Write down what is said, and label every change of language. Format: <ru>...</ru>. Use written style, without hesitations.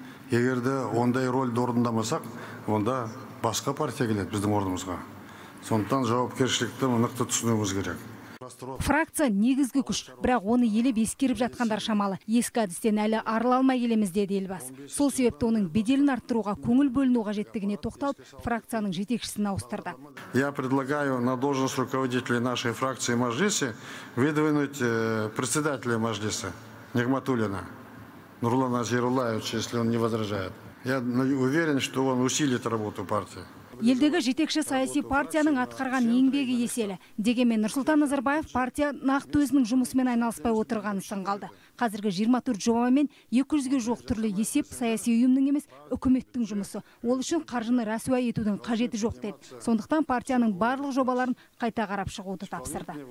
<kk>Егер де ондай рөлді орындамасақ, онда басқа партия келеді біздің орнымызға. Сондықтан жауапкершілікті нықты түсінуіміз керек. Фракция негізгі күш, бірақ оны елеп ескеріп жатқандар шамалы. Ескі әдістен әлі арыла алмай келеміз, деді елбасы. Сол себепті оның беделін арттыруға көңіл бөліну қажеттігіне тоқталып, фракцияның жетекшісін ауыстырды.</kk> <ru>Я предлагаю на должность руководителя нашей фракции мажлисе выдвинуть председателя мажлиса Нигматуллина Нурлана Зайроллаевича, если он не возражает. Я уверен, что он усилит работу партии.</ru> <kk>Елдегі жетекші саяси партияның атқарған еңбегі еселі. Дегенмен Нұрсұлтан Назарбаев партия нақты өзінің жұмысымен айналыспай отырғанын сынғалды. Қазіргі 24 жоба мен 200-ге жоқ түрлі есеп саяси ұйымның емес үкіметтің жұмысы. Ол үшін қаржыны рәсуа етудің қажеті жоқ деді. Сондықтан партияның барлық жобаларын қайта қарап шығуды тапсырды.</kk>